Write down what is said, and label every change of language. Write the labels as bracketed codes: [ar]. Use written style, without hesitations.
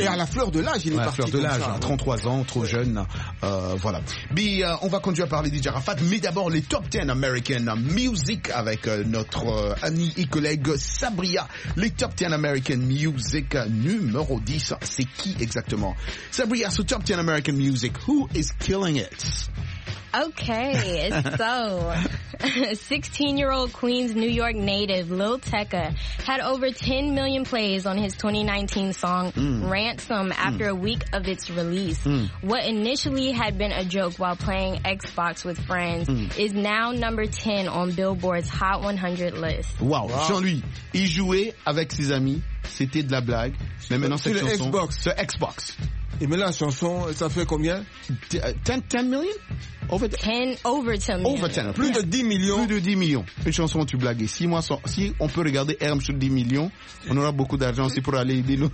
[fr] Et à la fleur de l'âge, il est parti. À la fleur de l'âge, ça, 33 ouais. ans, trop ouais. jeune. Voilà. Mais on va continuer à parler DJ Arafat, mais d'abord les top 10 American Music avec notre ami et collègue Sabria. Les top 10 American Music numéro 10, c'est qui exactement? [en] Sabria, ce top 10 American Music, who is killing it? Okay, so 16-year-old Queens, New York native Lil Tecca had over 10 million plays on his 2019 song Ransom after a week of its release. What initially had been a joke while playing Xbox with friends is now number 10 on Billboard's Hot 100 list. [fr] Wow, Jean-Louis, il jouait avec ses amis, c'était de la blague, mais maintenant cette chanson, Xbox. Et maintenant, la chanson, ça fait combien? [en] 10 million? Over 10 million. [fr] Plus de 10 millions. Plus de 10 millions. Une chanson, tu blagues. Si on peut regarder Herm sur 10 millions, on aura beaucoup d'argent aussi pour aller aider nous.